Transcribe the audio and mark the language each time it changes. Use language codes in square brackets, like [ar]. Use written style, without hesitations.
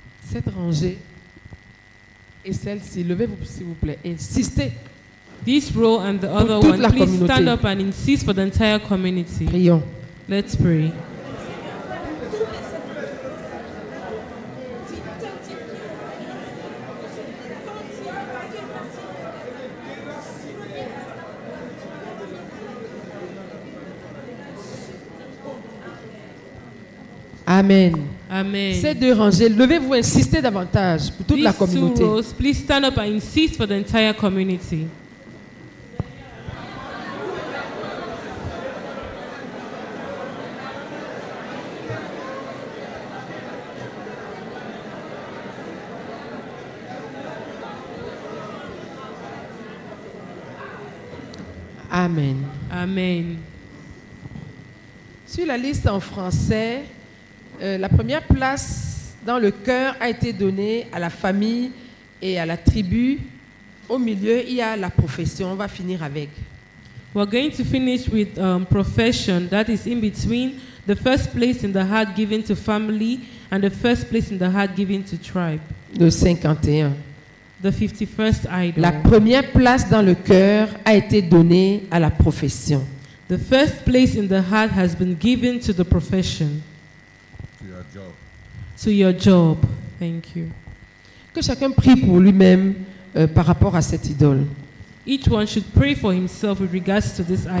[fr] Cette rangée et celle-ci, levez-vous s'il vous plaît, insistez. [en] This row and the other one, please stand up and insist for the entire community. [fr] Prions. [en] Let's pray. [fr] Amen. [en] Amen. [fr] Ces deux rangées, levez-vous, insistez davantage pour toute [en] These [fr] la communauté. [en] Two rows, please stand up and insist for the entire community. [fr] Amen. [en] Amen. [fr] Sur la liste en français. La première place dans le cœur a été donnée à la famille et à la tribu. Au milieu, il y a la profession. On va finir avec. [en] We're going to finish with profession. That is in between the first place in the heart given to family and the first place in the heart given to tribe. [fr] Le 51. [en] The 51st idol. [fr] La première place dans le cœur a été donnée à la profession. [en] The first place in the heart has been given to the profession. To your job. To your job. Thank you. [fr] Que chacun prie pour lui-même par rapport à cette idole. [en] Each one should pray for himself with regards to this idol.